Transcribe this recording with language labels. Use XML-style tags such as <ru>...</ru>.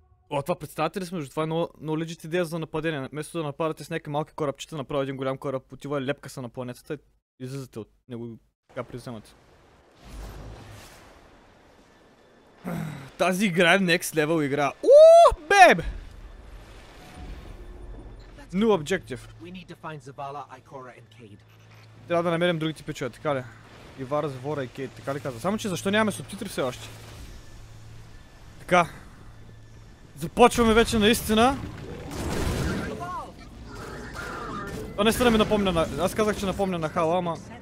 <bg>О, това представяте ли сме, това е много legit идея за нападение. Вместо да нападате с някакви малки корабчета, направо един голям кораб, отива лепка са на планетата и излизате от него и така приземате. Тази игра е</bg> <en>next level</en> <bg>игра. Ууу, беб!</bg> <en>New objective. We need to find Zavala, Ikora and Cade.</en> <bg>Трябва да намерим другите печове, така ли? Ивара, Звора и Кейт, така ли каза? Само че защо нямаме субтитри все още? Така. Започваме вече наистина. Това наистина ми напомня на... Аз казах, че напомня на Хала, ама...</bg>